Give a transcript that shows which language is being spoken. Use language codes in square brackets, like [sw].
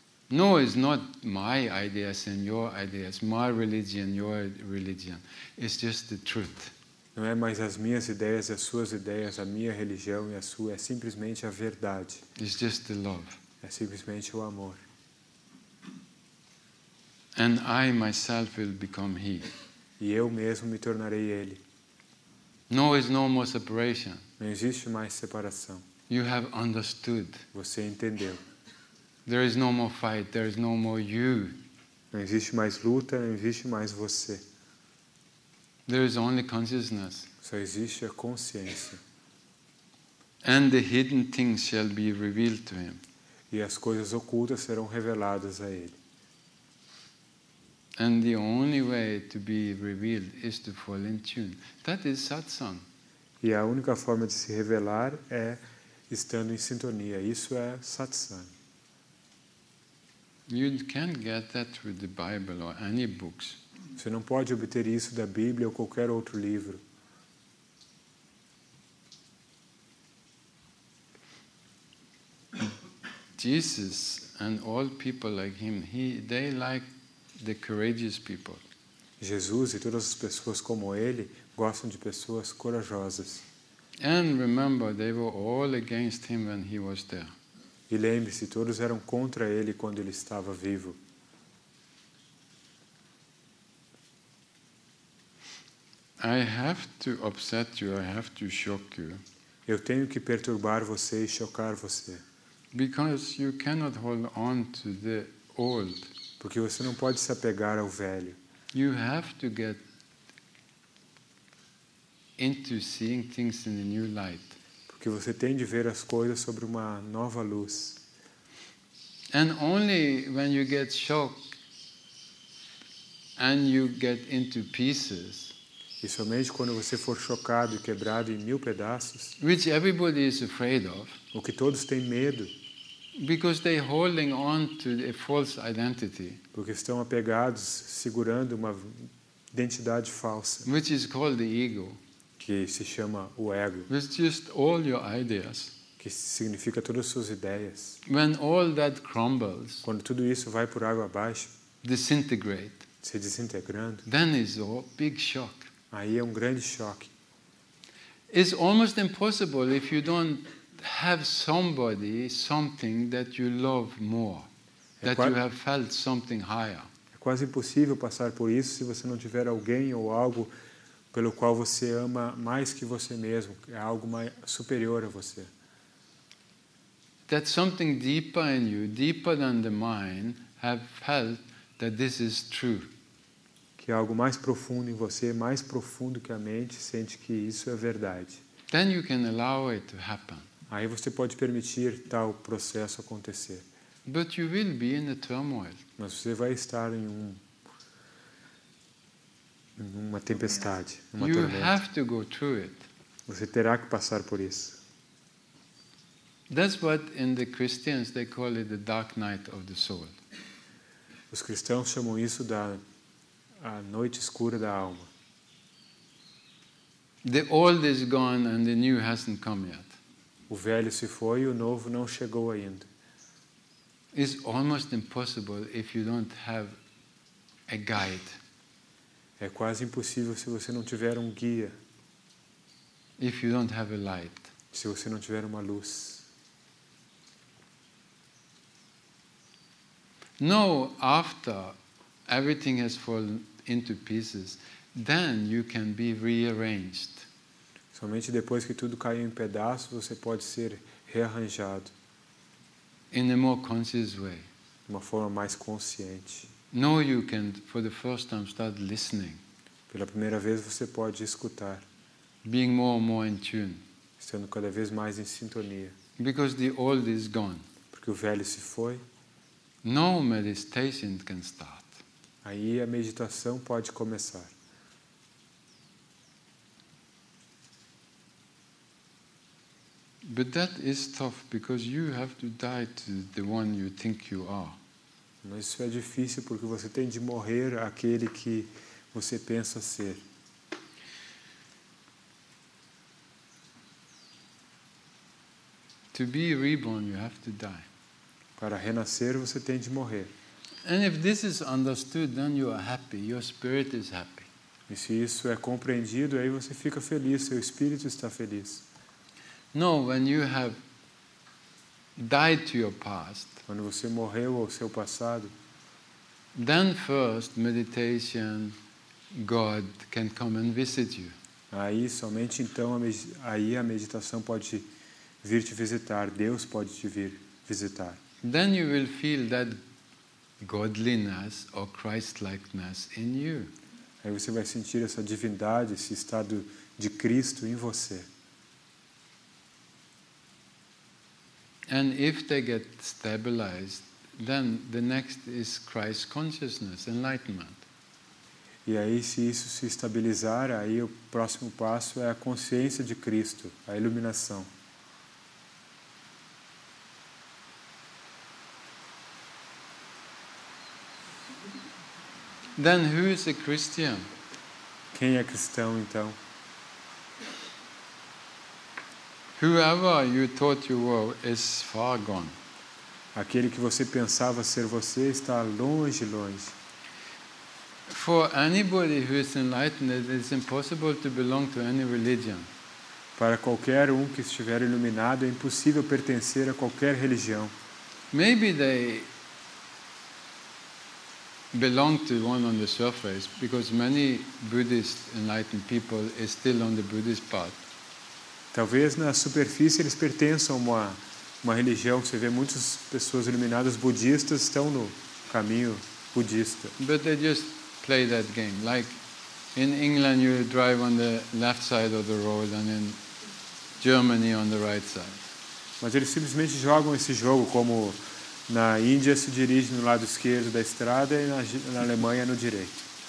[en] No, it's not my ideas and your ideas, my religion, your religion. It's just the truth. [pt] Não é mais as minhas ideias, as suas ideias, a minha religião e a sua. É simplesmente a verdade. [en] It's just the love. [pt] É simplesmente o amor. [en] And I myself will become he. [pt] E eu mesmo me tornarei ele. [en] No, it's no more separation. [pt] Não existe mais separação. [en] You have understood. [pt] Você entendeu. [en] There is no more fight. There is no more you. [pt] Não existe mais luta. Não existe mais você. [en] There is only consciousness. [pt] Só existe a consciência. [en] And the hidden things shall be revealed to him. [pt] E as coisas ocultas serão reveladas a ele. [en] And the only way to be revealed is to fall in tune. That is satsang. [pt] E a única forma de se revelar é estando em sintonia. Isso é satsang. [en] You can't get that with the Bible or any books. [pt] Você não pode obter isso da Bíblia ou qualquer outro livro. [en] Jesus and all people like him, they like the courageous people. [pt] Jesus e todas as pessoas como ele gostam de pessoas corajosas. [en] And remember, they were all against him when he was there. [pt] E lembre-se, todos eram contra ele quando ele estava vivo. [en] I have to upset you, I have to shock you. [pt] Eu tenho que perturbar você e chocar você. [en] Because you cannot hold on to the old. [pt] Porque você não pode se apegar ao velho. [en] You have to get into seeing things in a new light. [pt] Que você tem de ver as coisas sobre uma nova luz. [en] And only when you get shocked and you get into pieces. [pt] E somente quando você for chocado e quebrado em mil pedaços. [en] Which everybody is afraid of. [pt] O que todos têm medo. [en] Because they holding on to a false identity. [pt] Porque estão apegados, segurando uma identidade falsa. [en] Which is called the ego. [pt] Que se chama o ego. [en] It's just all your ideas. [pt] Que significa todas as suas ideias. [en] When all that crumbles, [pt] quando tudo isso vai por água abaixo, [en] disintegrate, [pt] se desintegrando, [en] then is a big shock. [pt] Aí é um grande choque. [en] It's almost impossible if you don't have somebody, something that you love more, that you have felt something higher. [pt] É quase impossível passar por isso se você não tiver alguém ou algo pelo qual você ama mais que você mesmo, é algo mais superior a você. [en] That something deeper in you, deeper than the mind, have felt that this is true. [pt] Que algo mais profundo em você, mais profundo que a mente, sente que isso é verdade. [en] Then you can allow it to happen. [pt] Aí você pode permitir tal processo acontecer. [en] But you will be in a turmoil. [pt] Mas você vai estar em uma tempestade, uma [en] you [pt] tormenta. [en] Have to go through it. [pt] Você terá que passar por isso. [en] That's what in the Christians they call it the dark night of the soul. [pt] Os cristãos chamam isso da a noite escura da alma. [en] The old is gone and the new hasn't come yet. [pt] O velho se foi e o novo não chegou ainda. [en] It's almost impossible if you don't have a guide. [pt] É quase impossível se você não tiver um guia. [en] If you don't have a light. [pt] Se você não tiver uma luz. [en] No, after everything has fallen into pieces, then you can be rearranged. [pt] Somente depois que tudo caiu em pedaços, você pode ser rearranjado. [en] In a more conscious way. [pt] De uma forma mais consciente. [en] No, you can for the first time start listening. [pt] Pela primeira vez você pode escutar. [en] Being more and more in tune. [pt] Estando cada vez mais em sintonia. [en] Because the old is gone. [pt] Porque o velho se foi. [en] No meditation can start. [pt] Aí a meditação pode começar. [en] But that is tough because you have to die to the one you think you are. [pt] Mas isso é difícil porque você tem de morrer àquele que você pensa ser. [en] To be reborn, you have to die. [pt] Para renascer, você tem de morrer. [en] And if this is understood, then you are happy. Your spirit is happy. [pt] E se isso é compreendido, aí você fica feliz. Seu espírito está feliz. [en] No, when you have died to your past. [pt] Quando você morreu ao seu passado. [en] Then first meditation, God can come and visit you. [pt] Aí somente então a meditação pode vir te visitar. Deus pode te vir visitar. [en] Then you will feel that godliness or Christ-likeness in you. [pt] Aí você vai sentir essa divindade, esse estado de Cristo em você. [en] And if they get stabilized, then the next is Christ consciousness, enlightenment. [pt] E aí, se isso se estabilizar, aí o próximo passo é a consciência de Cristo, a iluminação. [en] Then who is a Christian? [pt] Quem é cristão então? [en] Whoever you thought you were is far gone. [pt] Aquele que você pensava ser você está longe, longe. [en] For anybody who is enlightened, it is impossible to belong to any religion. [pt] Para qualquer um que estiver iluminado, é impossível pertencer a qualquer religião. [en] Maybe they belong to one on the surface, because many Buddhist enlightened people are still on the Buddhist path. [pt] Talvez na superfície eles pertençam a uma religião. Você vê muitas pessoas iluminadas budistas estão no caminho budista. [en] But they just play that game. Like in England, you drive on the left side of the road, and in Germany on the right side. [pt] Mas eles simplesmente jogam esse jogo como na Índia se dirige no lado esquerdo da estrada e na Alemanha no direito.